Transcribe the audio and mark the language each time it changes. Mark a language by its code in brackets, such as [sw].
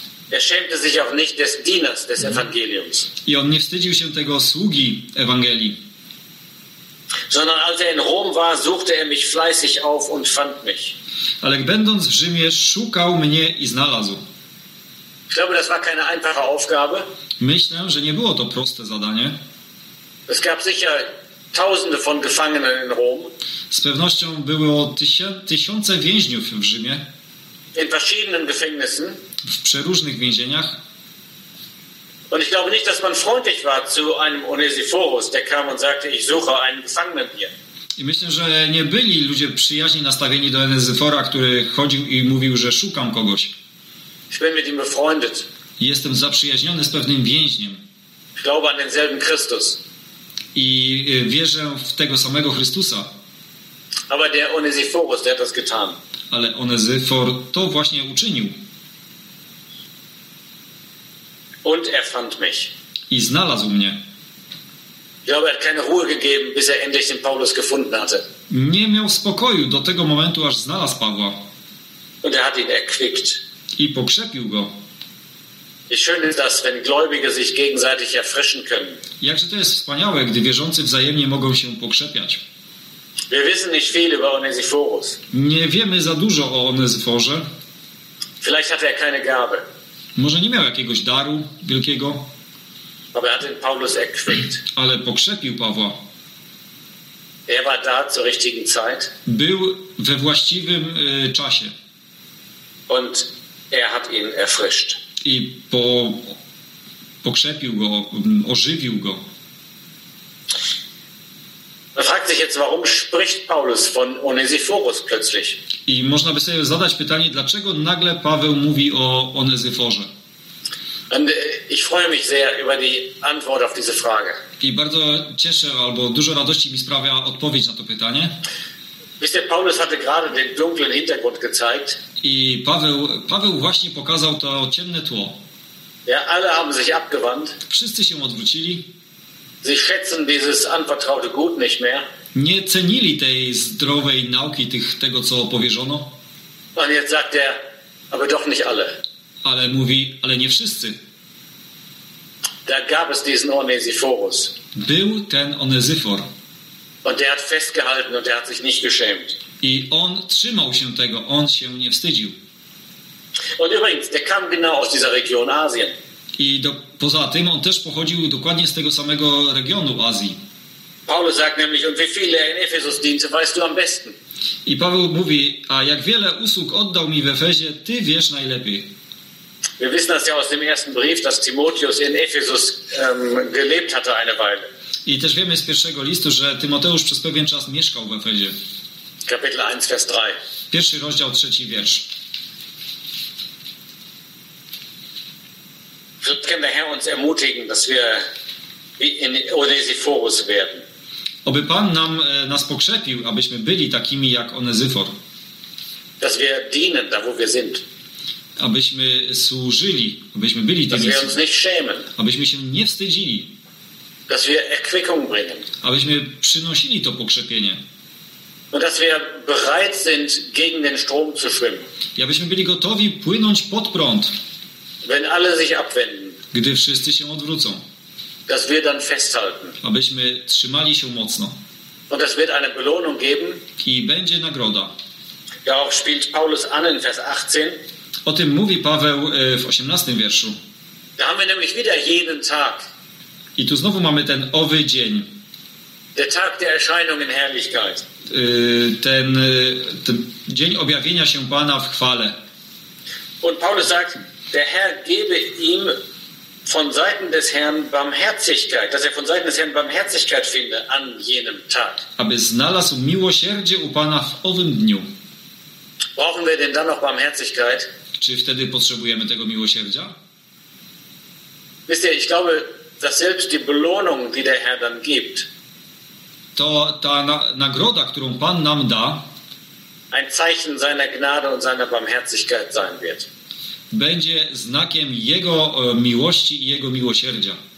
[de] Er schämte sich auch nicht des Dieners des Evangeliums. [pl] I on nie wstydził się tego sługi Ewangelii. [de] Sondern als er in Rom war, suchte er mich fleißig auf und fand mich. [pl] Ale będąc w Rzymie, szukał mnie i znalazł. [de] Ich glaube, das war keine einfache Aufgabe. [pl] Myślę, że nie było to proste zadanie. [de] Es gab sicher tausende von Gefangenen in Rom. [pl] Z pewnością było tysiące więźniów w Rzymie. [de] In verschiedenen Gefängnissen. [pl] W przeróżnych więzieniach. [de] Und ich glaube nicht, dass man freundlich war zu einem Onesiphorus, der kam und sagte, ich suche einen Gefangenen hier. [pl] I myślę, że nie byli ludzie przyjaźni nastawieni do Onesiphora, który chodził i mówił, że szukam kogoś. [de] Ich bin mit ihm befreundet. [pl] Jestem zaprzyjaźniony z pewnym więźniem. [de] Ich glaube an denselben Christus. [pl] I wierzę w tego samego Chrystusa. [de] Aber der Onesiphorus, der hat das getan. [pl] Ale Onesiphor to właśnie uczynił. [de] Und er fand mich. [pl] I znalazł mnie. [de] Ich glaube, er hat keine Ruhe gegeben, bis er endlich den Paulus gefunden hatte. [pl] Nie miał spokoju do tego momentu, aż znalazł Pawła. [de] Und er hat ihn erquickt. [pl] I pokrzepił go. [de] Wie schön ist das, wenn Gläubige sich gegenseitig erfrischen können. [pl] Jakże to jest wspaniałe, gdy wierzący wzajemnie mogą się pokrzepiać. [de] Wir wissen nicht viel über Onesiphorus. [pl] Nie wiemy za dużo o Onesiphorze. [de] Vielleicht hatte er keine Gabe. [pl] Może nie miał jakiegoś daru wielkiego. [de] Aber er hat den Paulus erquickt. [pl] Ale pokrzepił Pawła. [de] Er war da zur richtigen Zeit. [pl] Był we właściwym czasie. [de] Und er hat ihn erfrischt. [pl] I pokrzepił go, ożywił go. [de] Man fragt sich jetzt, warum spricht Paulus von Onesiphorus plötzlich? [pl] I można by sobie zadać pytanie, dlaczego nagle Paweł mówi o Onesiphorze? [de] Und ich freue mich sehr über die Antwort auf diese Frage. [pl] I bardzo cieszę, albo dużo radości mi sprawia odpowiedź na to pytanie. [de] Wisst ihr, Paulus hatte gerade den dunklen Hintergrund gezeigt. [pl] I Paweł właśnie pokazał to ciemne tło. [de] Ja, alle haben sich abgewandt. [pl] Wszyscy się odwrócili. [de] Sie schätzen dieses anvertraute Gut nicht mehr. [pl] Nie cenili tej zdrowej nauki, tego co powierzono. [de] Und jetzt sagt er, aber doch nicht alle. [pl] Ale mówi, ale nie wszyscy. [de] Da gab es diesen Onesiphorus. [pl] Był ten Onesiphor. [de] Und der hat festgehalten und der hat sich nicht geschämt. [pl] I on trzymał się tego, on się nie wstydził. [de] Und übrigens, der kam genau aus dieser Region Asien. [pl] I poza tym on też pochodził dokładnie z tego samego regionu Azji. [de] Paulus sagt nämlich, und wie viele er in Ephesus diente, weißt du am besten. [pl] I Paweł mówi, a jak wiele usług oddał mi w Efezie, ty wiesz najlepiej. [de] Wir wissen das ja aus dem ersten Brief, dass Timotheus in Ephesus gelebt hatte eine Weile. [pl] I też wiemy z pierwszego listu, że Tymoteusz przez pewien czas mieszkał w Efezie. [de] Kapitel 1, Vers 3. [pl] Pierwszy rozdział, trzeci wiersz. [de] Vielleicht kann der Herr uns ermutigen, dass wir in Onesiphorus werden. [pl] Oby Pan nam nas pokrzepił, abyśmy byli takimi jak Onezyfor. [de] Dass wir dienen, da wo wir sind. [pl] Abyśmy służyli, abyśmy byli tymi. [de] Dass wir uns nicht schämen. [pl] Abyśmy się nie wstydzili. [de] Dass wir Erquickung bringen. [pl] Abyśmy przynosili to pokrzepienie. [de] Und dass wir bereit sind, gegen den Strom zu schwimmen. [pl] I abyśmy byli gotowi płynąć pod prąd. [de] Wenn alle sich abwenden. [pl] Gdy wszyscy się odwrócą. [de] Dass wir dann festhalten. [pl] Abyśmy trzymali się mocno. [de] Und es wird eine Belohnung geben. [pl] I będzie nagroda. [de] Ja, auch spielt Paulus an in Vers 18. [pl] O tym mówi Paweł w 18 wierszu. [de] Da haben wir nämlich wieder jeden Tag. [pl] I tu znowu mamy ten owy dzień. [de] Der Tag der Erscheinung in Herrlichkeit. [pl] Ten dzień objawienia się Pana w chwale. [de] Und Paulus sagt, der Herr gebe ihm von Seiten des Herrn Barmherzigkeit, dass er von Seiten des Herrn Barmherzigkeit finde an jenem Tag. [pl] Aby znalazł miłosierdzie u Pana w owym dniu. [de] Brauchen wir denn dann noch Barmherzigkeit? [pl] Czy wtedy potrzebujemy tego miłosierdzia? [de] Wisst ihr, ich glaube, dass selbst die Belohnung, die der Herr dann gibt, [pl] to ta nagroda, którą Pan nam da, [de] ein Zeichen seiner Gnade und seiner Barmherzigkeit sein wird. [pl] Będzie znakiem Jego miłości i Jego miłosierdzia.